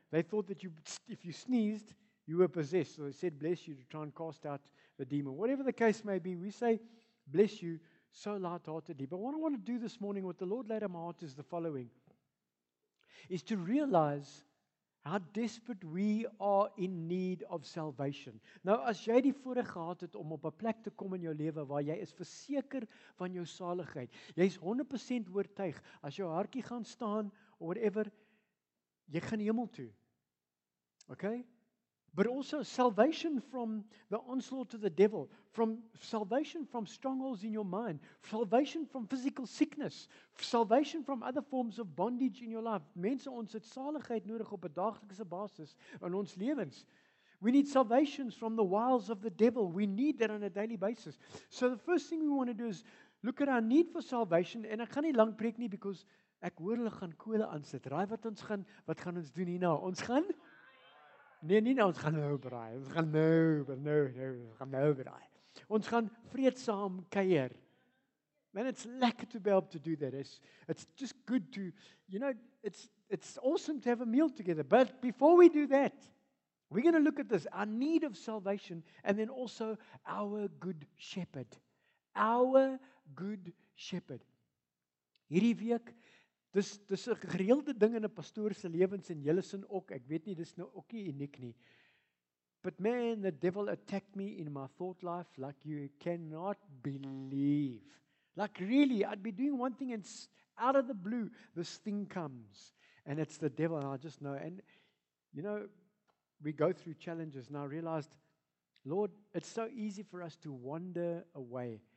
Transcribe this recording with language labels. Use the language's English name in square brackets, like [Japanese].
[English] They thought that if you sneezed, you were possessed. So they said, bless you, to try and cast out the demon. Whatever the case may be, we say, bless you, so lightheartedly. But what I want to do this morning, what the Lord laid on my heart is the following, is to realize how desperate we are in need of salvation. [Afrikaans] Nou, as jy die voorreg gehad het om op 'n plek te kom in jou lewe waar jy is verseker van jou saligheid, jy is 100% oortuig, as jou hartjie gaan staan, [English] or whatever, [Afrikaans] jy gaan hemel toe. [English] Okay? But also salvation from the onslaught of the devil, from salvation from strongholds in your mind, salvation from physical sickness, salvation from other forms of bondage in your life. [Afrikaans] Mense, ons het saligheid nodig op 'n daaglikse basis in ons lewens. [English] We need salvation from the wiles of the devil. We need that on a daily basis. So the first thing we want to do is look at our need for salvation, and [Afrikaans] ek gaan nie lang preek nie [English] because [Afrikaans] ek hoor hulle gaan kole aansit. Raai wat gaan ons doen hierna? Ons gaan Ons gaan nou braai. Ons gaan vreedsaam kuier. [English] Man, it's lekker to be able to do that. It's just good to, you know, it's awesome to have a meal together. But before we do that, we're going to look at this, our need of salvation, and then also our good shepherd. Our good shepherd. [Afrikaans] Hierdie week, Dis 'n gereelde ding in 'n pastoor se lewens en julle sin ook. Ek weet nie, dis nou ook nie uniek nie. [English] But man, the devil attacked me in my thought life like you cannot believe. Like really, I'd be doing one thing and out of the blue, this thing comes. And it's the devil, and I just know. And you know, we go through challenges and I realized, Lord, it's so easy for us to wander away.